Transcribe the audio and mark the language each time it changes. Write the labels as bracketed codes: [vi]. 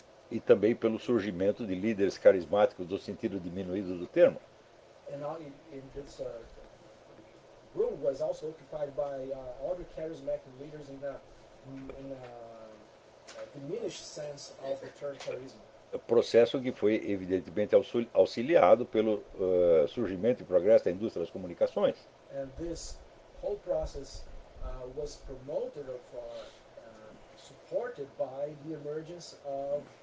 [pt] E também pelo surgimento de líderes carismáticos no sentido diminuído do termo. [en] And now in this room was also occupied by other charismatic leaders in a diminished sense of the term charisma. [pt] Processo que foi evidentemente auxiliado pelo surgimento e progresso da indústria das comunicações. [en] And this whole process was promoted or supported by the emergence of